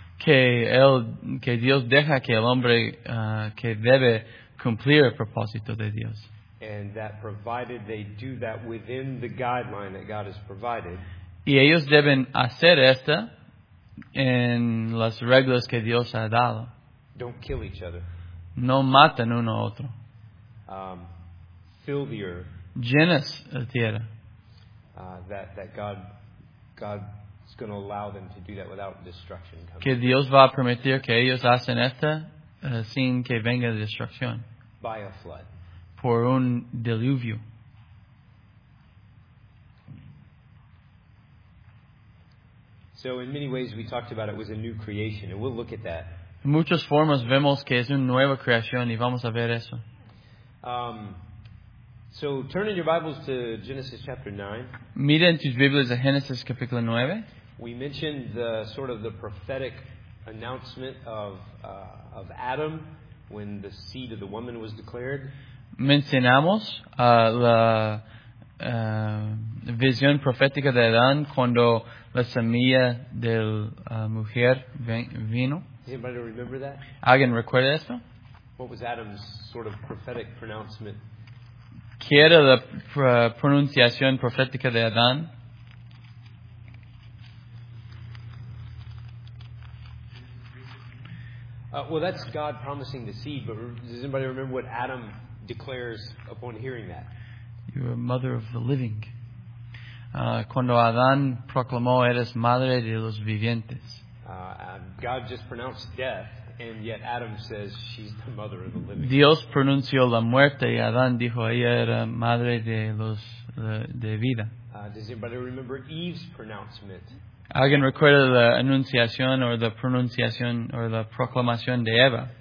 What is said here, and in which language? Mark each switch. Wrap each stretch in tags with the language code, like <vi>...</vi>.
<es>Que Dios deja que el hombre que debe cumplir el propósito de Dios.</es> <en>And that provided they do that within the guideline that God has provided.</en> <es>Y ellos deben hacer esta en las reglas que Dios ha dado.</es> <en>Don't kill each other.</en> <es>No matan uno a otro.</es> <en>Fill the earth.</en> <es>Llenas la tierra.</es> <en>That God is going to allow them to do that without destruction. Coming.</en> <es>Que Dios va a permitir que ellos hacen esta sin que venga la destrucción.</es> <en>By a flood.</en> <es>Por un diluvio.</es> <en>So in many ways we talked about it was a new creation and we'll look at that.</en> <es>En muchas formas vemos que es una nueva creación y vamos a ver eso.</es> <en>So turn in your Bibles to Genesis chapter 9.</en> <es>Miren tus Biblias a Génesis capítulo 9.</es> <en>We mentioned the prophetic announcement of Adam when the seed of the woman was declared.</en> <es>Mencionamos la visión profética de Adán cuando la semilla de la mujer vino.</es> <en>Does anybody remember that?</en> <es>¿Alguien recuerda esto?</es> <en>What was Adam's sort of prophetic pronouncement?</en> <es>¿Qué era la pronunciación profética de Adán?</es> <en>Well, that's God promising the seed, but does anybody remember what Adam declares upon hearing that? You're a mother of the living.</en> <es>Cuando Adán proclamó, eres madre de los vivientes.</es> <en>God just pronounced death. And yet Adam says she's the mother of the living.</en> <es>Dios pronunció la muerte y Adán dijo ella era madre de los de vida.</es> <en>Does anybody remember Eve's pronouncement?</en> <es>¿Alguien recuerda la anunciación o la pronunciación o la proclamación de Eva?</es>